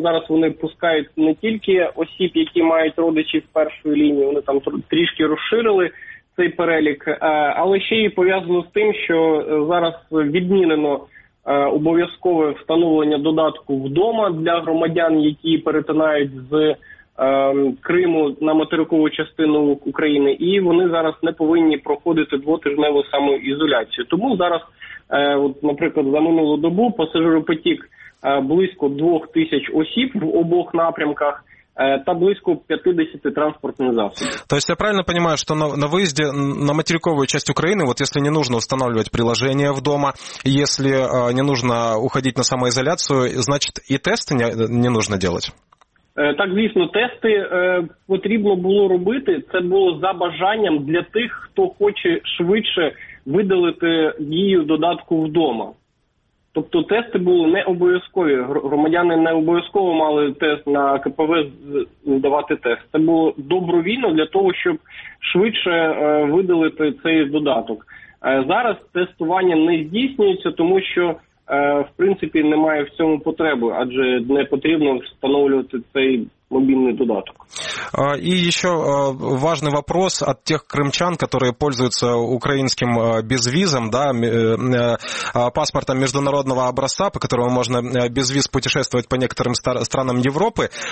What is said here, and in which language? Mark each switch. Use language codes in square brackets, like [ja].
[uk] Зараз вони пускають не тільки осіб, які мають родичів в першій лінії, вони там трішки розширили цей перелік, але ще й пов'язано з тим, що зараз відмінено обов'язкове встановлення додатку вдома для громадян, які перетинають з Криму на материкову частину України, і вони зараз не повинні проходити двотижневу самоізоляцію. Тому зараз, от, наприклад, за минулу добу пасажиропотік близько 2000 осіб в обох напрямках та близько 50 транспортних засобів. [ru] То есть я правильно понимаю, что на выезде на материковую часть Украины, вот если не нужно устанавливать приложение вдома, если не нужно уходить на самоизоляцию, значит и тести не нужно делать? [uk] Так, звісно, тести потрібно було робити. Це було за бажанням для тих, хто хоче швидше видалити дію додатку вдома. Тобто тести були не обов'язкові. Громадяни не обов'язково мали тест на КПВ здавати тест. Це було добровільно для того, щоб швидше видалити цей додаток. Зараз тестування не здійснюється, тому що, в принципі, немає в цьому потреби, адже не потрібно встановлювати цей мобільний додаток. [ru] И еще важный вопрос от тех крымчан, которые пользуются украинским безвизом, да, паспортом международного образца, по которому можно без виз путешествовать по некоторым странам Европы.